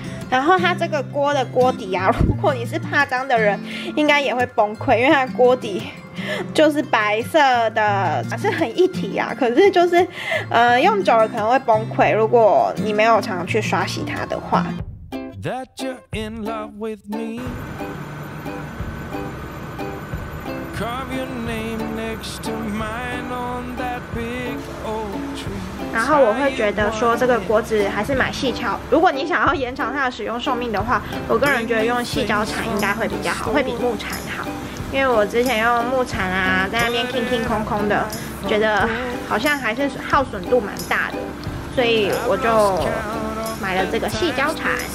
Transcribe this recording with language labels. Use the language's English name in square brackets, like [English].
[Chinese] 然后它这个锅的锅底啊，如果你是怕脏的人，应该也会崩溃，因为它锅底就是白色的，是很一体啊，可是就是用久了可能会崩溃，如果你没有常常去刷洗它的话。 [English] That you're in love with me. Carve your name next to mine on that big old tree. [Chinese] 然后我会觉得说这个锅子还是蛮细巧，如果你想要延长它的使用寿命的话，我个人觉得用细胶铲应该会比较好，会比木铲好。因为我之前用木铲啊，在那边轻轻空空的，觉得好像还是耗损度蛮大的，所以我就买了这个细胶铲。